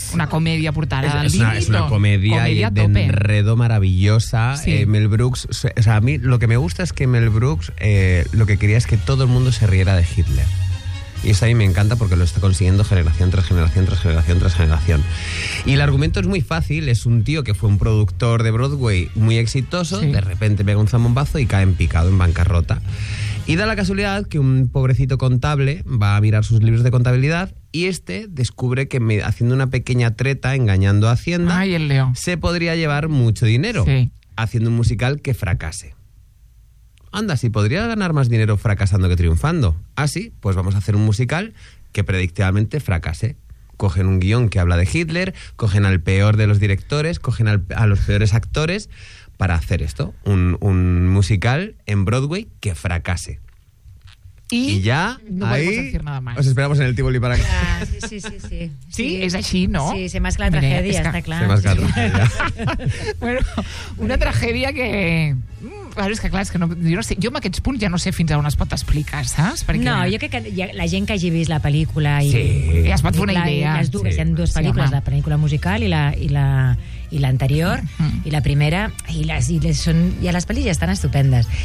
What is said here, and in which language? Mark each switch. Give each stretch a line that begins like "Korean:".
Catalan: Una comèdia portada al límit. És una comèdia d'enredo maravillosa. Sí.
Spanish: Mel Brooks, o sea, a mi lo que me gusta es que Mel Brooks lo que quería es que todo el mundo se riera de Hitler. Y eso a mí me encanta porque lo está consiguiendo generación tras generación tras generación tras generación. Y el argumento es muy fácil. Es un tío que fue un productor de Broadway muy exitoso, sí. De repente pega un zambombazo y cae en picado, en bancarrota. Y da la casualidad que un pobrecito contable va a mirar sus libros de contabilidad y este descubre que haciendo una pequeña treta, engañando a Hacienda, ay, el Leo, se podría llevar mucho dinero, sí, haciendo un musical que fracase. Anda, si podría ganar más dinero fracasando que triunfando. Ah, sí, pues vamos a hacer un musical que predictivamente fracase. Cogen un guión que habla de Hitler, cogen al peor de los directores, cogen a los peores actores para hacer esto, un musical en Broadway que fracase. Y ya no ahí podemos decir nada más. Os esperamos en el Tívoli para acá. Sí. Es así, ¿no? Sí, se mezcla la tragedia, está claro. Se mezcla la tragedia. Bueno, una tragedia que...
Catalan: Claro, és que no, jo no sé, jo en aquests punts ja no sé fins a on es pot explicar, saps? Perquè... No, jo crec que la gent que hagi vist la pel·lícula... I, sí, ja es pot fer una idea. Les dues, sí. Hi ha dues pel·lícules, sí, la pel·lícula musical i l'anterior, i la primera, i les pel·lis ja estan estupendes.